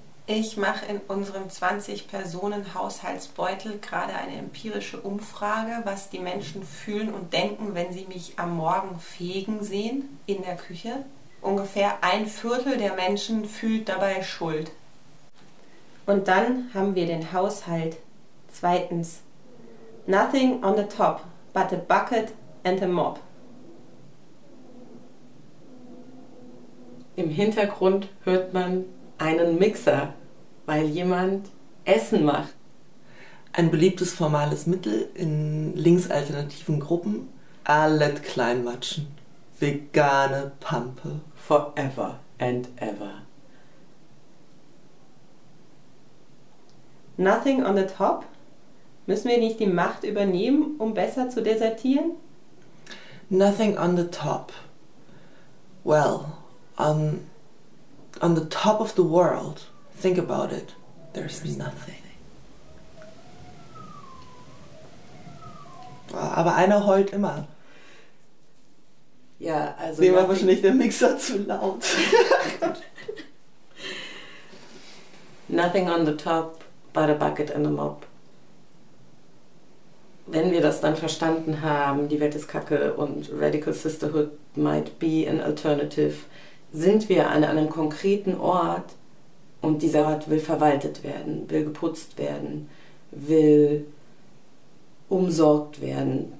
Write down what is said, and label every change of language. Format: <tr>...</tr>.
<de>Ich mache in unserem 20-Personen-Haushaltsbeutel gerade eine empirische Umfrage, was die Menschen fühlen und denken, wenn sie mich am Morgen fegen sehen in der Küche. Ungefähr ein Viertel der Menschen fühlt dabei Schuld. Und dann haben wir den Haushalt. Zweitens.</de> <en>Nothing on the top but a bucket and a mop.</en> <de>Im Hintergrund hört man einen Mixer, weil jemand Essen macht. Ein beliebtes formales Mittel in linksalternativen Gruppen. Alet Kleinmatschen. Vegane Pampe.</de> <en>Forever and ever. Nothing on the top?</en> <de>Müssen wir nicht die Macht übernehmen, um besser zu desertieren?</de> <en>Nothing on the top. Well, on the top of the world, think about it, there's nothing.</en> <de>Aber einer heult immer. Ja, also... Dem war wahrscheinlich der Mixer zu laut.</de> <en>Nothing on the top but a bucket and a mop.</en> <de>Wenn wir das dann verstanden haben, die Welt ist kacke und</de> <en>Radical Sisterhood might be an alternative,</en> <de>sind wir an einem konkreten Ort und dieser Ort will verwaltet werden, will geputzt werden, will umsorgt werden.</de>